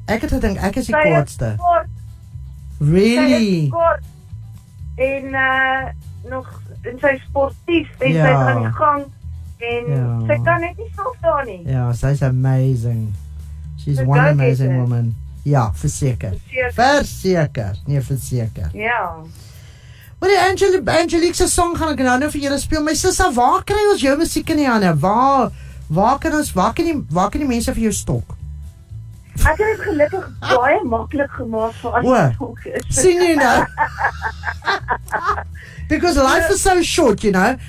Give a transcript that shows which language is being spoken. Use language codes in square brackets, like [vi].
[af] Ek het gedink, ek is die kortste. Sy is kort. [en] Really? [af] Sy is kort. En nog... En sy is sportief, en sy is aan die gang, en sy kan net nie stil staan nie. Ja, sy is amazing. [en] She's one amazing woman. [af] Ja, verzeker. Verzeker. Nee, verzeker. Ja. Wat een Angelique se song gaan ek nou nou vir julle speel. My sussa, waar kry ons jou musiek in die hande? Waar kan die mense vir jou stok? Ek het gelukkig baie maklik gemaak vir ons. Sien jy nou? [en] Because life is so short, you know.